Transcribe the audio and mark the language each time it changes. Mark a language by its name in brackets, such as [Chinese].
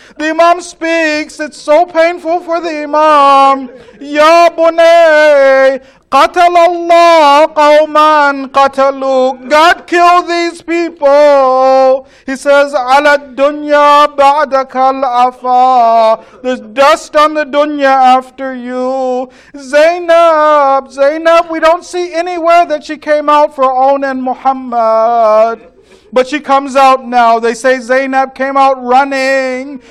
[English] The Imam speaks. It's so painful for the Imam. [Arabic] Ya Bunay, قَتَلَ اللَّهُ قَوْمًا قَتَلُوكَ. [English] God killed these people. He says, [Arabic] عَلَى الدُّنْيَا بَعْدَكَ الْعَفَى. [English] There's dust on the dunya after you. Zainab, Zainab, we don't see anywhere that she came out for Onan Muhammad. But she comes out now. They say Zainab came out running.